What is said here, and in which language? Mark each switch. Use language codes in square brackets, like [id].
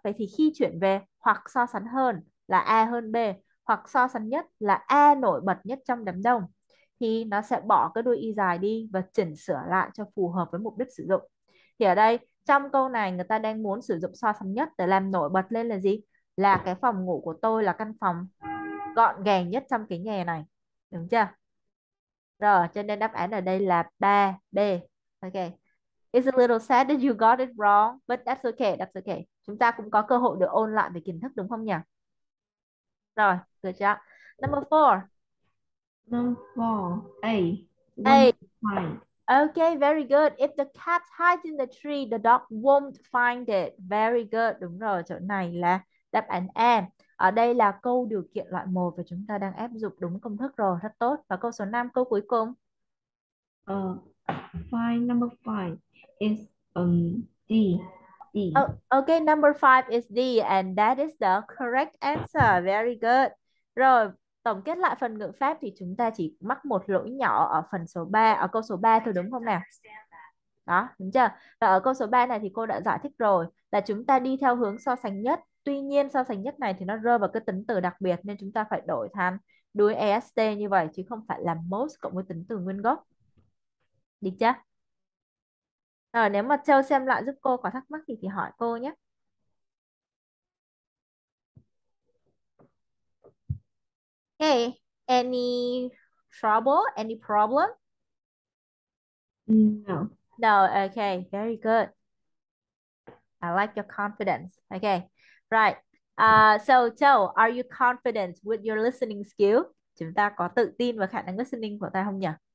[vi] Vậy thì khi chuyển về hoặc so sánh hơn là A hơn B, hoặc so sánh nhất là A nổi bật nhất trong đám đông, thì nó sẽ bỏ cái đuôi y dài đi và chỉnh sửa lại cho phù hợp với mục đích sử dụng. Thì ở đây trong câu này người ta đang muốn sử dụng so sánh nhất để làm nổi bật lên là gì? Là cái phòng ngủ của tôi là căn phòng gọn gàng nhất trong cái nhà này. Đúng chưa? Rồi, cho nên đáp án ở đây là 3B. Ok. [en] It's a little sad that you got it wrong, but that's okay, that's okay. [vi] Chúng ta cũng có cơ hội được ôn lại về kiến thức đúng không nhỉ? [en] Rồi, good job. Number four. Number 4, A. A, Okay, very good. If the cat hides in the tree, the dog won't find it. Very good. [vi] Đúng rồi, chỗ này là đáp án A. Ở đây là câu điều kiện loại 1 và chúng ta đang áp dụng đúng công thức rồi, rất tốt. Và câu số 5, câu cuối cùng. [en] number 5 is D. Okay, number five is D, and that is the correct answer. Very good. [vi] Rồi, tổng kết lại phần ngữ pháp thì chúng ta chỉ mắc một lỗi nhỏ ở phần số 3, ở câu số 3 thôi đúng không nào? Đó, đúng chưa? Và ở câu số 3 này thì cô đã giải thích rồi, là chúng ta đi theo hướng so sánh nhất. Tuy nhiên, so sánh nhất này thì nó rơi vào cái tính từ đặc biệt, nên chúng ta phải đổi thành đuôi EST như vậy, chứ không phải là most cộng với tính từ nguyên gốc. Được chưa? Rồi, nếu mà Châu xem lại giúp cô có thắc mắc gì thì hỏi cô nhé. [en] Hey, any trouble, any problem? No. No, okay, very good. I like your confidence. Okay, right. So Châu, are you confident with your listening skill? [vi] Chúng ta có tự tin vào khả năng listening của ta không nhỉ?